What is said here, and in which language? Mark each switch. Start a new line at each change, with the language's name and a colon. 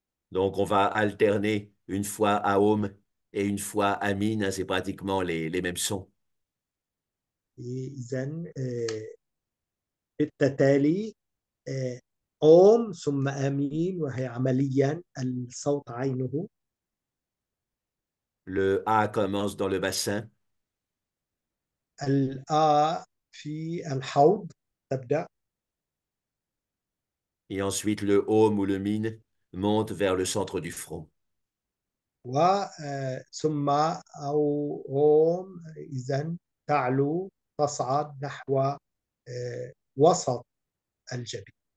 French: Donc, on va alterner une fois à Aum et une fois à Amin, hein, c'est pratiquement les mêmes sons.
Arabic: إذا بالتتالي أوم ثم آمين وهي عمليا الصوت عينه.
French: Le A commence dans le bassin.
Arabic: الآ في الحوض تبدأ.
French: Et ensuite, le Aum ou le Min monte vers le centre du front.
Arabic: و ثم أو أوم إذا تعلو تصعد نحو وسط الجبين.